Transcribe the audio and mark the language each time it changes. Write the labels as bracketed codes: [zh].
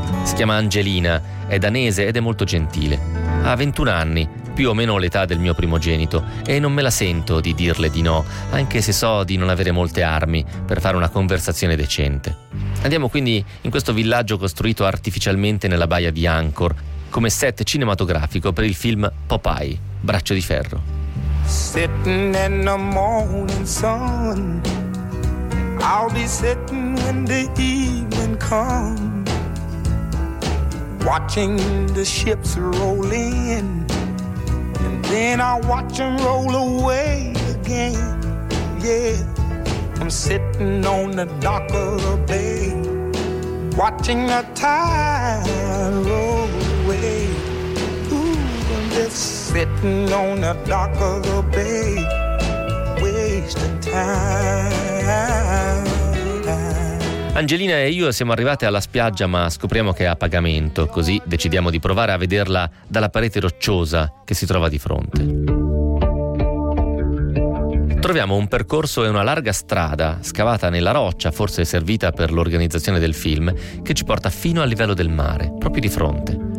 [it] Si chiama Angelina, è danese ed è molto gentile. Ha 21 anni, più o meno l'età del mio primogenito, e non me la sento di dirle di no, anche se so di non avere molte armi per fare una conversazione decente. Andiamo quindi in questo villaggio costruito artificialmente nella baia di Angkor, come set cinematografico per il film Popeye, Braccio di Ferro. [en] Sitting in the morning sun. I'll be sitting when the evening comes. Watching the ships roll in. And then I'll watch them roll away again. Yeah, I'm sitting on the dock of the bay. Watching the tide roll away. Ooh, I'm just sitting on the dock of the bay. Wasting time. [it] Angelina e io siamo arrivate alla spiaggia, ma scopriamo che è a pagamento, così decidiamo di provare a vederla dalla parete rocciosa che si trova di fronte. Troviamo un percorso e una larga strada scavata nella roccia, forse servita per l'organizzazione del film, che ci porta fino al livello del mare, proprio di fronte.